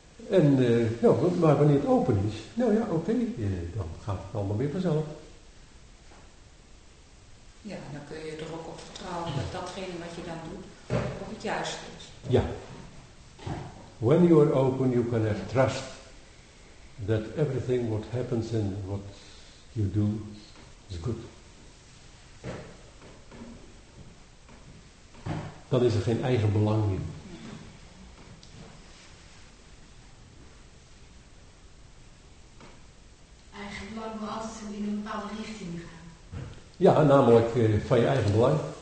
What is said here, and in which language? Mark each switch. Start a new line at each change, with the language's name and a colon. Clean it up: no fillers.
Dutch: En maar wanneer het open is, nou ja, oké, dan gaat het allemaal weer vanzelf. Ja, dan kun je er ook op vertrouwen dat datgene wat je dan doet, ook het juiste is. Ja.
English: When you are open, you can have trust that everything what happens and what you do is good.
Dutch: Dan is er geen eigen belang meer. Ja, namelijk van je eigen belang.